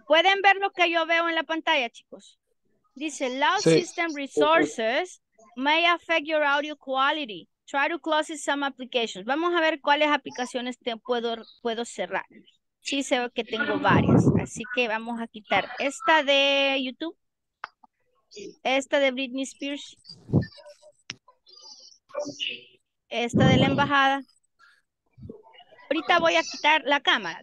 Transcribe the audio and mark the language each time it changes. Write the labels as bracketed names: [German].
[Spanish] ¿Pueden ver lo que yo veo en la pantalla, chicos? Dice, [English] loud system resources may affect your audio quality. Try to close some applications. [Spanish] Vamos a ver cuáles aplicaciones te puedo cerrar. Sí, sé que tengo varias. Así que vamos a quitar esta de YouTube. Esta de Britney Spears. Esta de la embajada. Ahorita voy a quitar la cámara.